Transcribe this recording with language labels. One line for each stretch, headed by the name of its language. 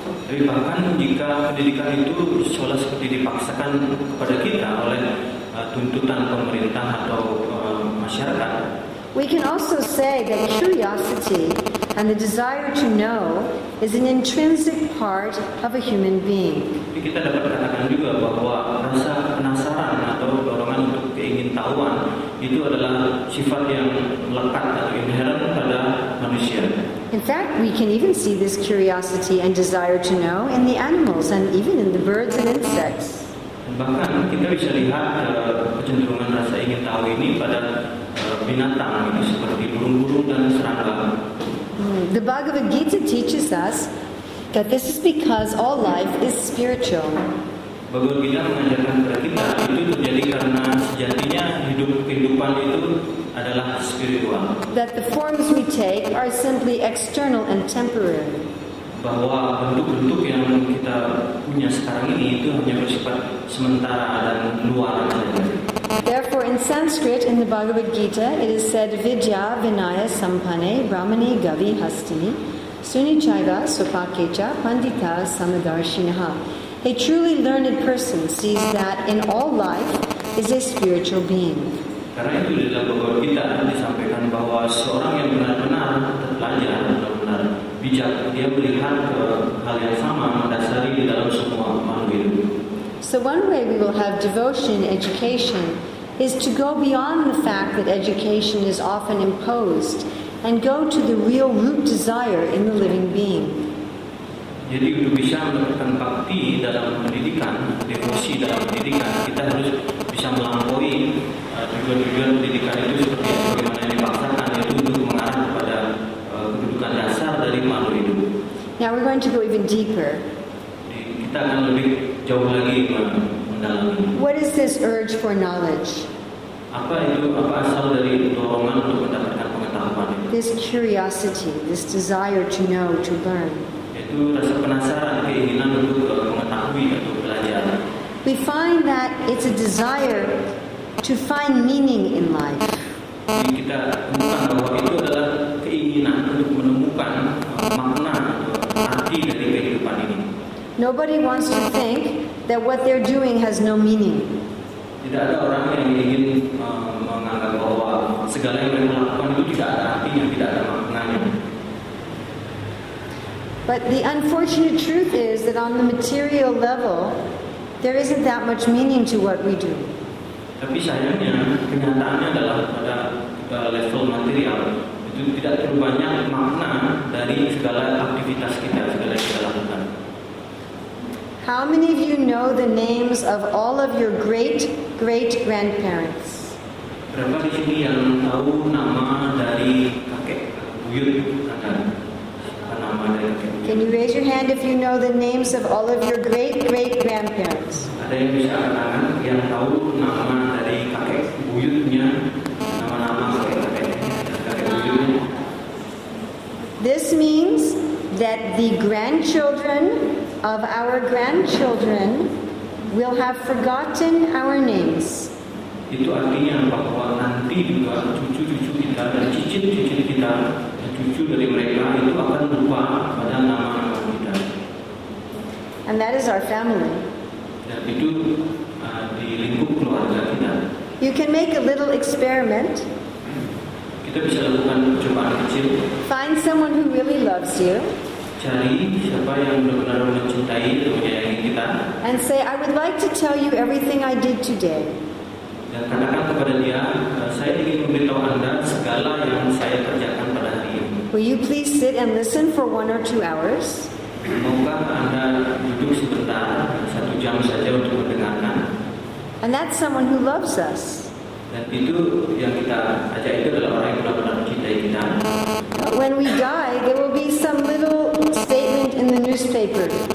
Indonesian: tapi bahkan jika pendidikan itu seolah seperti dipaksakan kepada kita oleh tuntutan pemerintah atau masyarakat,
English: we can also say that curiosity and the desire to know is an intrinsic part of a human being.
Indonesian: Kita dapat katakan juga bahwa rasa penasaran atau dorongan untuk keingintahuan itu adalah sifat yang melekat atau inherent pada manusia.
English: In fact, we can even see this curiosity and desire to know in the animals and even in the birds and insects.
Indonesian: Bahkan kita bisa lihat kecenderungan rasa ingin tahu ini pada binatang itu seperti burung-burung dan serangga.
English: The Bhagavad Gita teaches us that this is because all life is spiritual.
Indonesian: Bhagavad Gita mengajarkan kepada kita itu terjadi karena sejatinya hidup kehidupan itu adalah spiritual.
English: That the forms we take are simply external and temporary.
Indonesian: Bahwa bentuk-bentuk yang kita punya sekarang ini itu hanya bersifat sementara dan luar saja.
English: Therefore, in Sanskrit, in the Bhagavad Gita, it is said,
Sanskrit: Vidya Vinaya Sampane Brahmani Gavi Hastini Suni Chaiva Supakecha Pandita Samadarshinaha.
English: A truly learned person sees that in all life is a spiritual being.
Indonesian: Karena itu di dalam Bhagavad Gita disampaikan bahwa seorang yang benar-benar terpelajar, benar-benar bijak, dia melihat ke hal yang sama mendasari di dalam semua makhluk hidup.
English: So one way we will have devotion in education is to go beyond the fact that education is often imposed and go to the real root desire in the living being.
Indonesian: Jadi untuk bisa mendapatkan bhakti dalam pendidikan, devosi dalam pendidikan, kita harus bisa melampaui tujuan-tujuan pendidikan itu seperti bagaimana yang dipaksakan itu untuk mengarah kepada kedudukan dasar dari makhluk hidup.
English: Now we're going to go even deeper.
Indonesian: Kita akan lebih jauh lagi mendalami.
English: What is this urge for knowledge?
Indonesian: Apa itu, apa asal dari dorongan untuk mendapatkan pengetahuan?
English: This curiosity, this desire to know, to learn.
Indonesian: Itu rasa penasaran, keinginan untuk mengetahui atau belajar.
English: We find that it's a desire to find meaning in life.
Indonesian: Jadi kita temukan bahwa itu adalah keinginan untuk menemukan makna atau arti dari kehidupan ini.
English: Nobody wants to think that what they're doing has no meaning.
Indonesian: Tidak ada orang yang ingin menganggap bahwa segala yang mereka lakukan itu tidak ada artinya, tidak ada maknanya.
English: But the unfortunate truth is that on the material level, there isn't that much meaning to what we do.
Indonesian: Tapi sayangnya, kenyataannya adalah pada level material itu tidak terlalu banyak makna dari segala aktivitas kita, segala yang kita lakukan.
English: How many of you know the names of all of your great-great-grandparents?
Indonesian: Berapa di sini yang tahu nama dari kakek buyut atau nama dari kakek?
English: Can you raise your hand if you know the names of all of your great-great-grandparents?
Indonesian: Ada yang bisa angkat tangan yang tahu nama dari kakek buyutnya, nama-nama kakek buyutnya?
English: This means that the grandchildren of our grandchildren will have forgotten our names.
Indonesian: Itu artinya bahwa nanti juga cucu-cucu kita dan cicit-cicit kita dan cucu dari mereka itu akan lupa pada nama-nama kita.
English: And that is our family.
Indonesian: Dan itu di lingkup keluarga kita.
English: You can make a little experiment.
Indonesian: Kita bisa lakukan percobaan kecil.
English: Find someone who really loves you.
Indonesian: Cari siapa yang benar-benar mencintai atau menyayangi kita.
English: And say, I would like to tell you everything I did today.
Indonesian: Dan katakan kepada dia, saya ingin memberitahu anda segala yang saya kerjakan pada hari ini.
English: Will you please sit and listen for one or two hours?
Indonesian: Maukah anda duduk sebentar, satu jam saja untuk mendengarkan?
English: And that's someone who loves us.
Indonesian: Dan itu yang kita ajak itu adalah orang yang benar-benar mencintai kita.
English: When we die, there will be some little statement in the news. newspaper.